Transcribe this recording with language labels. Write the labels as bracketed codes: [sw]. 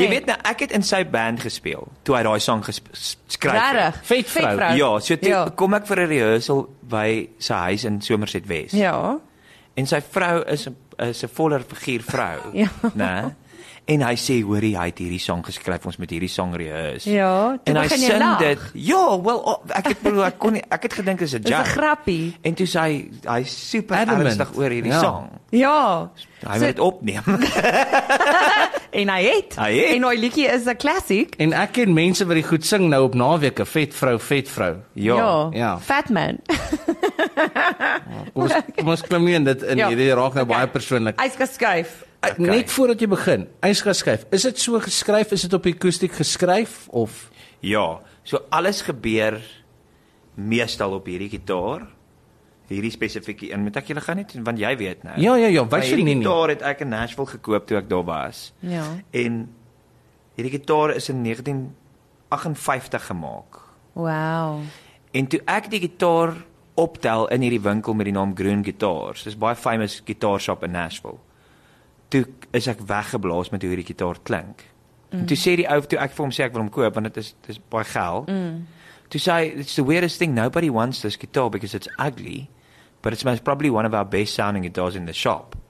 [af] Jy weet nou, ek het in sy band gespeel, toe hy daai sang geskryf. Vet vrou. Ja, so toe kom ek vir 'n rehearsal by sy huis in Somerset West. Ja. En sy vrou is 'n voller figuur vrou. Ja. Né? En hy sê, hoorie, hy het hierdie song geskryf, ons met hierdie song rehearse. Ja, toe begin jy lach. Dit, ja, wel, ek het gedink, [en] is a joke. [af] Is a grappie. En toe sê, hy is super ernstig oor hierdie song. Ja. Hy moet het opneem. En hy het. Hy het. En hy liedjie is a classic. En ek ken mense wat die goed sing nou op naweke, vet vrou. Ja. [en] Fat man. [af] kom ons klim nie in dit, en hierdie raak nou baie persoonlik. Hy is geskuif. Okay. Net voordat jy begin, eens geskryf, is dit so geskryf, is dit op akoestiek geskryf, of? Ja, so alles gebeur meestal op hierdie gitaar, hierdie specifieke, en moet ek julle gaan net, want jy weet nou. Ja, wat jy nie. Hierdie gitaar het ek in Nashville gekoop toe ek daar was. Ja. En hierdie gitaar is in 1958 gemaak. Wow. En toe ek die gitaar optel in hierdie winkel met die naam Groen Guitars, dis baie famous guitar shop in Nashville. Toe is ek weggeblaas met hoe die gitaar klink. En toe sê die ou, toe ek vir hom sê ek wil hom koop, want het is baie geld. Toe sê, [en] it's the weirdest thing, nobody wants this guitar because it's ugly, but it's most probably one of our best sounding guitars in the shop.